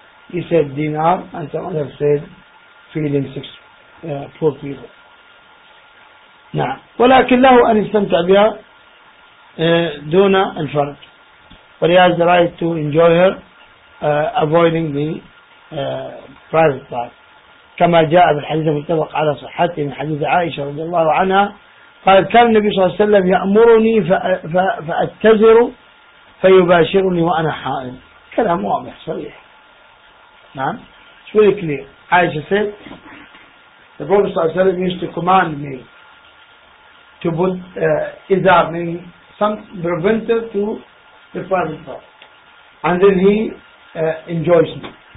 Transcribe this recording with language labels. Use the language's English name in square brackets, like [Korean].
[English] He said dinar and some other said feeding six poor people. [Arabic] نعم ولكن له أن يستمتع بها دون الفرق. [English] But he has the right to enjoy her avoiding the private part. [Arabic] كما جاء بالحديث المتفق على صحته من حديث عائشة رضي الله عنها قال كان النبي صلى الله عليه وسلم يأمرني فأتزر فيباشرني وأنا حائض. كلام واضح صريح. [English] نعم it's very clear. عائشة said the Prophet [Arabic] صلى الله عليه وسلم [English] used to command me to put izar, meaning some preventer to the private part, and then he enjoys me.